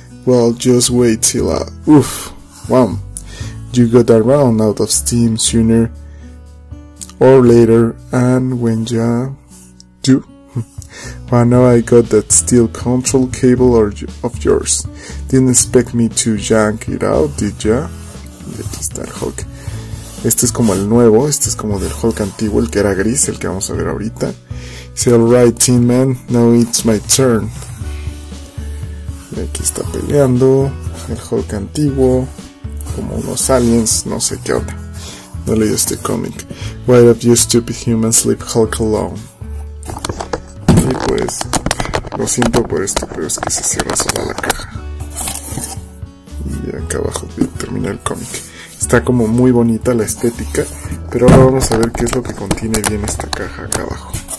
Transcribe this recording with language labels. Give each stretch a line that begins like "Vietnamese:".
English: Well, just wait till wham, you got a round out of steam sooner or later, and when ya do, well, now I got that steel control cable of yours. Didn't expect me to yank it out, did ya?
Spanish: Y aquí está el Hulk. Este es como el nuevo, este es como del Hulk antiguo, el que era gris, el que vamos a ver ahorita.
English: Dice, alright, Tin Man, now it's my turn.
Spanish: Y aquí está peleando el Hulk antiguo, como unos aliens, no sé qué onda. No leí este cómic.
English: Why have you stupid humans leave Hulk alone?
Spanish: Y pues, lo siento por esto, pero es que se cierra sola la caja. Y acá abajo termina el cómic. Está como muy bonita la estética, pero ahora vamos a ver qué es lo que contiene bien esta caja acá abajo.